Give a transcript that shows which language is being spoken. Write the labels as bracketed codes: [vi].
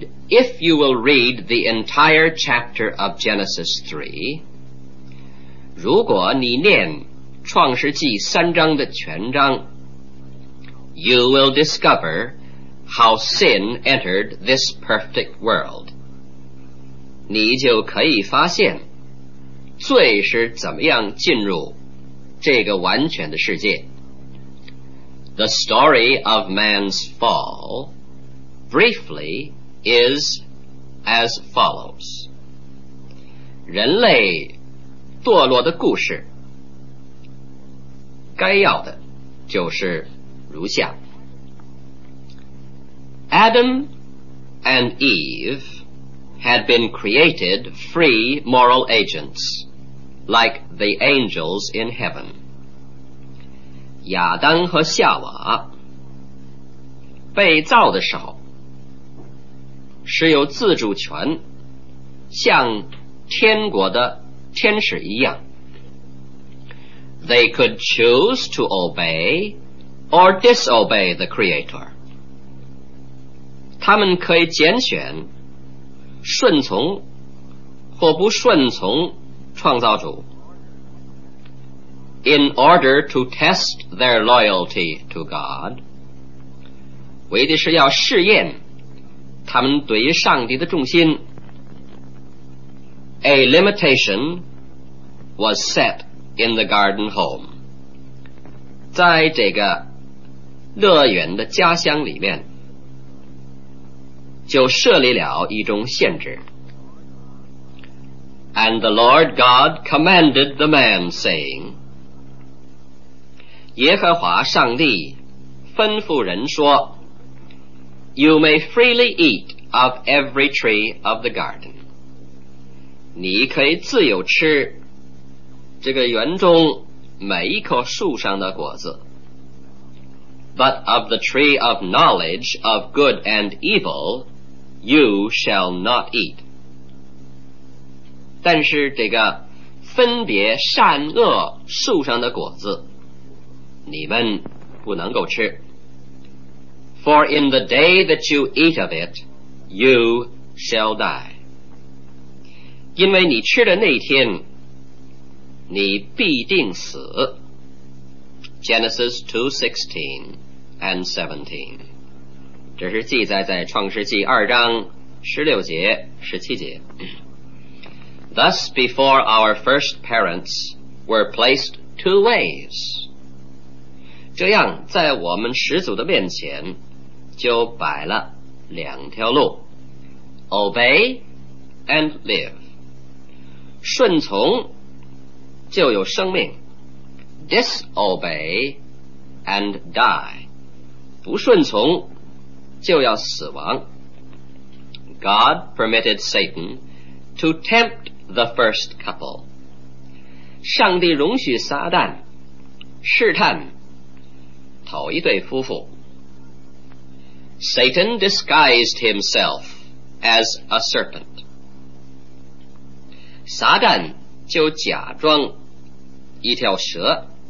[en] If you will read the entire chapter of Genesis 3, [zh] 如果你念创世纪三章的全章， [en] You will discover how sin entered this perfect world. [zh] 你就可以发现罪是怎么样进入这个完全的世界。 [en] The story of man's fall briefly is as follows. [zh] 人类堕落的故事该要的就是如下。 [en] Adam and Eve had been created free moral agents like the angels in heaven. [zh] 亚当和夏娃被造的时候是有自主权，像天国的天使一样。 [en] They could choose to obey or disobey the Creator. [zh] 他们可以拣选顺从或不顺从创造主。 [en] In order to test their loyalty to God, [zh] 为的是要试验他们对于上帝的忠心。 [en] A limitationwas set in the garden home. [zh] 在这个乐园的家乡里面就设立了一种限制。 [en] And the Lord God commanded the man, saying, [zh] 耶和华上帝吩咐人说 [en] You may freely eat of every tree of the garden. [zh] 你可以自由吃这个园中每一棵树上的果子。 [en] But of the tree of knowledge of good and evil, you shall not eat. [zh] 但是这个分别善恶树上的果子你们不能够吃。 [en] For in the day that you eat of it, you shall die. [zh] 因为你吃的那天你必定死。 [en] Genesis 2:16 and 17。 [zh] 这是记载在创世纪二章十六节、十七节。 [en] Thus before our first parents were placed two ways. [zh] 这样在我们始祖的面前就摆了两条路。 [en] Obey and live. [zh] 顺从就有生命 [en] disobey and die [zh] 不顺从就要死亡 [en] God permitted Satan to tempt the first couple [zh] 上帝容许撒旦试探头一对夫妇 [en] Satan disguised himself as a serpent [zh] 撒旦就假装一条蛇